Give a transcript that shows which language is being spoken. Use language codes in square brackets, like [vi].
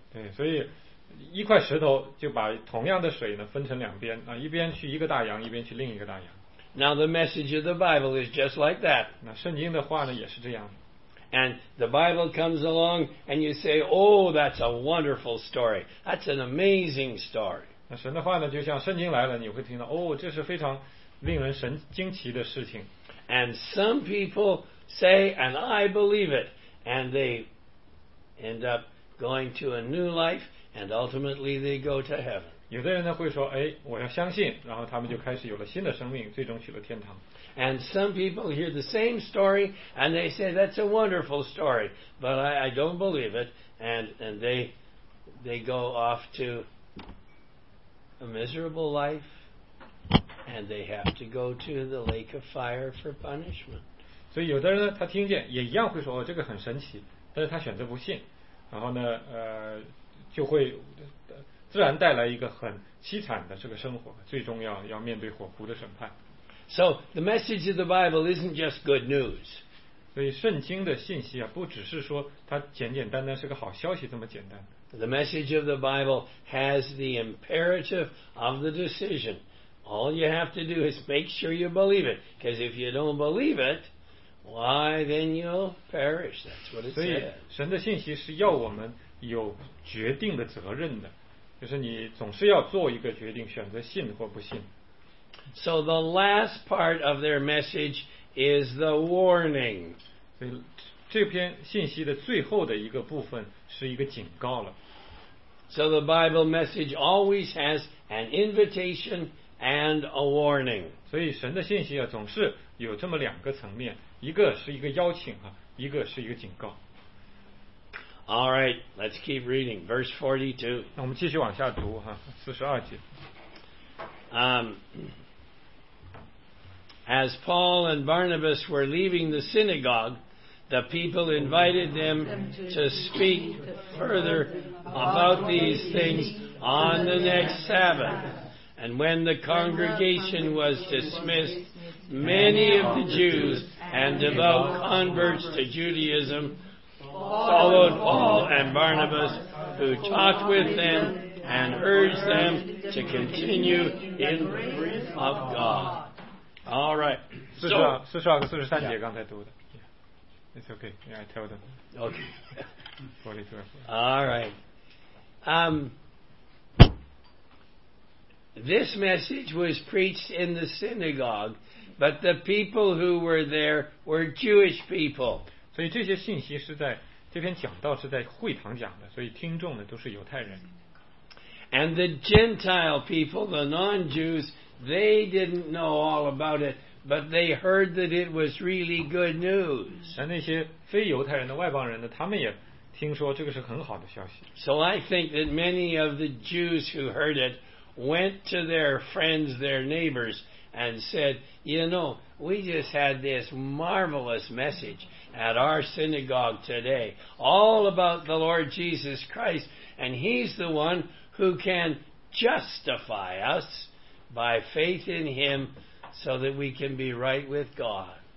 [zh] 对，所以一块石头就把同样的水呢分成两边啊，一边去一个大洋，一边去另一个大洋。 [en] Now the message of the Bible is just like that. [zh] 那圣经的话呢也是这样。 [en] And the Bible comes along, and you say, "Oh, that's a wonderful story. That's an amazing story." [zh] 那神的话呢，就像圣经来了，你会听到，哦，这是非常令人神惊奇的事情。 [en] And some people say, and I believe it, and they end up going to a new life, and ultimately they go to heaven. [zh] 有的人呢会说，哎，我要相信，然后他们就开始有了新的生命，最终去了天堂。 [en] And some people hear the same story, and they say, that's a wonderful story, but I don't believe it, and they go off to a miserable life. And they have to go to the lake of fire for punishment. [zh] 所以有的人呢，他听见也一样会说，哦，这个很神奇，但是他选择不信，然后呢，就会自然带来一个很凄惨的这个生活，最终要面对火湖的审判。 [en] So the message of the Bible isn't just good news. [zh] 所以圣经的信息啊，不只是说它简简单单是个好消息这么简单。 [en] The message of the Bible has the imperative of the decision. All you have to do is make sure you believe it. Because if you don't believe it, why then you'll perish. That's what it says. [zh] 所以神的信息是要我们有决定的责任的。就是你总是要做一个决定，选择信或不信。 [en] So the last part of their message is the warning. [zh] 所以这篇信息的最后的一个部分是一个警告了。 [en] So the Bible message always has an invitation and a warning. [zh] 所以神的信息啊，总是有这么两个层面，一个是一个邀请啊，一个是一个警告。 [en] All right, let's keep reading. Verse 42. [zh] 那我们继续往下读哈，四十二节。 [en] As Paul and Barnabas were leaving the synagogue, the people invited them to speak further about these things on the next Sabbath. And when the congregation was dismissed, many of the Jews and devout converts to Judaism followed Paul and Barnabas, who talked with them and urged them to continue in the grace of God. All right. [zh] 42和43节刚才读的。 [en] It's okay. Yeah, I tell them. Okay. 42. All right. This message was preached in the synagogue, but the people who were there were Jewish people. [zh] 所以这些信息是在这篇讲道是在会堂讲的，所以听众呢都是犹太人。 [en] And the Gentile people, the non-Jews, they didn't know all about it, but they heard that it was really good news. [zh] 而那些非犹太人的外邦人呢，他们也听说这个是很好的消息。 [en] So I think that many of the Jews who heard it went to their friends, their neighbors, and said, you know, we just had this marvelous message at our synagogue today, all about the Lord Jesus Christ, and he's the one who can justify us by faith in him so that we can be right with God.